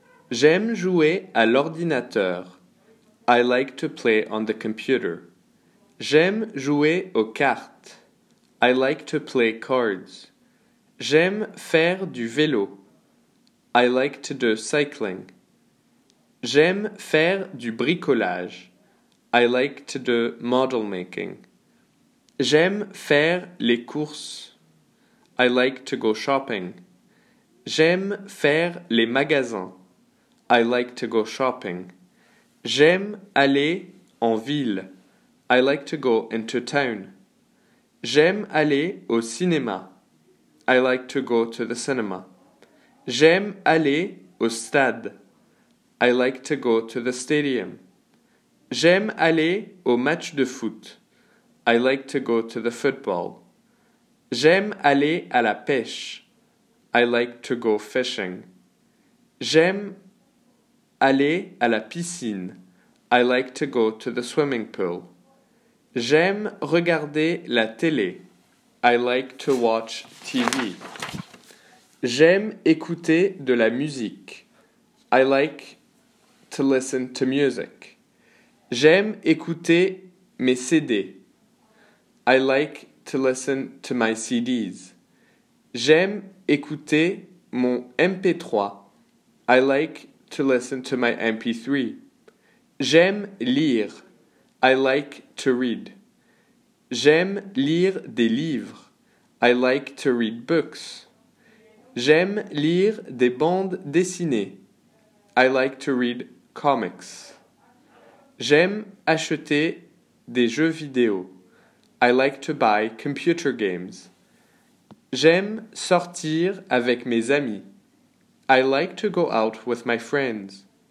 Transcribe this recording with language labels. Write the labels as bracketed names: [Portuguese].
[French] J'aime jouer à l'ordinateur. [English] I like to play on the computer. [French] J'aime jouer aux cartes. [English] I like to play cards. [French] J'aime faire du vélo. [English] I like to do cycling. [French] J'aime faire du bricolage. [English] I like to do model making. [French] J'aime faire les courses. [English] I like to go shopping. [French] J'aime faire les magasins. [English] I like to go shopping. [French] J'aime aller en ville. [English] I like to go into town. [French] J'aime aller au cinéma. [English] I like to go to the cinema. [French] J'aime aller au stade. [English] I like to go to the stadium. [French] J'aime aller au match de foot. [English] I like to go to the football. [French] J'aime aller à la pêche. [English] I like to go fishing. [French] J'aime aller à la piscine. [English] I like to go to the swimming pool. [French] J'aime regarder la télé. [English] I like to watch TV. [French] J'aime écouter de la musique. [English] I like to listen to music. [French] J'aime écouter mes CD. [English] I like to listen to my CDs. [French] J'aime écouter mon MP3. [English] I like to listen to my MP3. [French] J'aime lire. [English] I like to read. [French] J'aime lire des livres. [English] I like to read books. [French] J'aime lire des bandes dessinées. [English] I like to read comics. [French] J'aime acheter des jeux vidéo. [English] I like to buy computer games. [French] J'aime sortir avec mes amis. [English] I like to go out with my friends.